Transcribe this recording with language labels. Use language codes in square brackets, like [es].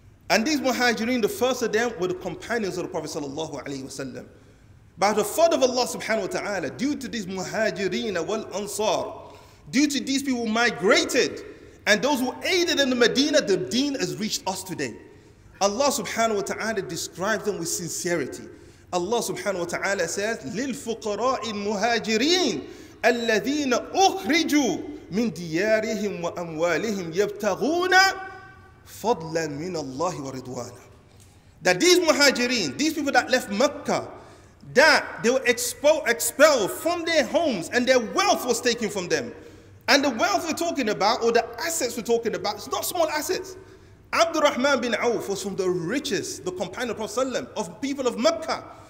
[en] And these muhajirin, the first of them were the companions of the Prophet sallallahu alayhi wa sallam. By the fault of Allah subhanahu wa ta'ala, due to these muhajirin wal ansar, due to these people who migrated, and those who aided in the Medina, the deen has reached us today. Allah subhanahu wa ta'ala describes them with sincerity. Allah subhanahu wa ta'ala says, [ar] لِلْفُقَرَاءِ الْمُهَاجِرِينَ الَّذِينَ أُخْرِجُوا مِنْ دِيَارِهِمْ وَأَمْوَالِهِمْ يَبْتَغُونَ فَضْلًا مِنَ اللَّهِ وَرِضْوَانًا. [en] That these muhajirin, these people that left Mecca, that they were expelled from their homes and their wealth was taken from them. And the wealth we're talking about, or the assets we're talking about, it's not small assets. Abdurrahman bin Auf was from the richest, the companion of the Prophet ﷺ, of people of Mecca.